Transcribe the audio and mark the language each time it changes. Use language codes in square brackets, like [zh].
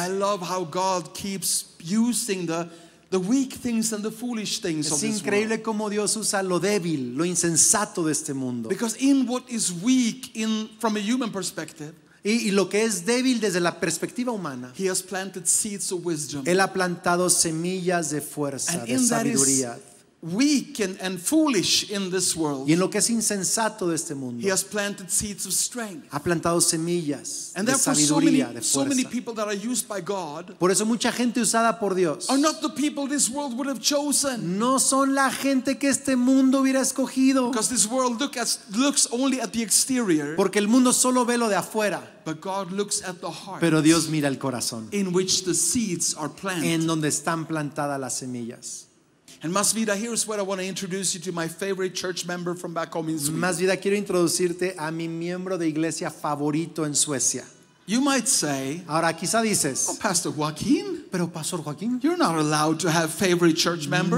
[en] And I love how God keeps using the weak things and the foolish things [es] es [en] of this world. [es] Es increíble cómo Dios usa lo débil, lo insensato de este mundo. [en] Because in what is weak in from a human perspective. [es] Y lo que es débil desde la perspectiva humana. [en] He has planted seeds of wisdom. [es] Él ha plantado semillas de fuerza, [en] and [es] de sabiduría. [en] Weak and foolish in this world. [es] Y en lo que es insensato de este mundo. [en] He has planted seeds of strength. [es] Ha plantado semillas [en] and [es] de [en] therefore [es] sabiduría, [en] so many, [es] de fuerza. [en] So many people that are used by God. [es] Por eso mucha gente usada por Dios. [en] Are not the people this world would have chosen. [es] No son la gente que este mundo hubiera escogido. [en] Because this world looks only at the exterior. [es] Porque el mundo solo ve lo de afuera. [en] But God looks at the heart. [es] Pero Dios mira el corazón. [en] In which the seeds are planted. [es] En donde están plantadas las semillas. [en] And Masvida, here's where I want to introduce you to my favorite church member from back home in Sweden. [es] Masvida, quiero introducirte a mi miembro de iglesia favorito en Suecia. [en] You might say, [es] ahora quizá dices, [en] oh, Pastor Joaquín, [es] pero Pastor Joaquín, [en] you're not allowed to have favorite church members.